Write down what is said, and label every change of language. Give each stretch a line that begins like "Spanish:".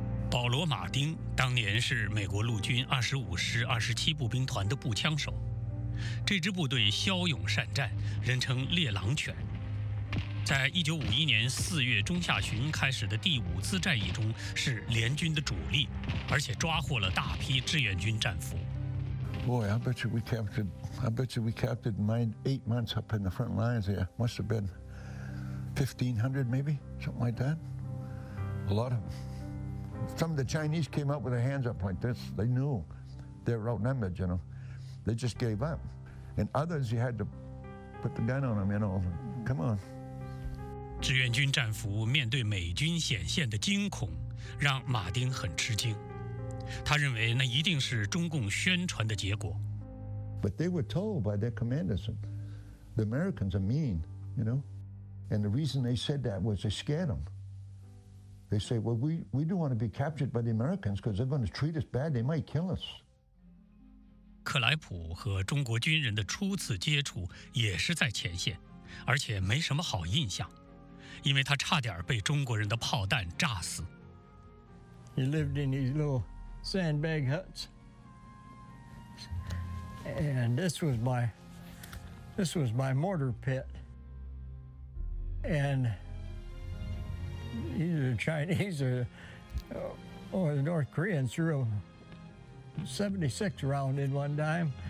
Chinese: 保罗·马丁当年是美国陆军25师27步兵团的步枪手，这支部队骁勇善战，人称猎狼犬。在1951年4月中下旬开始的第5次战役中是联军的主力，而且抓获了大批志愿军战俘。
English: Boy, I bet you we captured 9-8 months up in the front lines here. Must have been 1500 maybe, something like that. A lot of them. Some of the Chinese came up with their hands up like this. They knew they were outnumbered, you know. They just gave up. And others, you had to put the gun on them, you know. Come on.
Chinese: 志愿军战俘面对美军显现的惊恐，让马丁很吃惊。他认为那一定是中共宣传的结果。
English: But they were told by their commanders, the Americans are mean, you know. And the reason they said that was they scared them. They say, well, we don't want to be captured by the Americans because they're going to treat us bad. They might kill us.
Chinese: 克莱普和中国军人的初次接触也是在前线，而且没什么好印象，因为他差点被中国人的炮弹炸死。
English: He lived in these little sandbag huts. And this was my mortar pit. And either the Chinese or the North Koreans threw a 76 round in one time.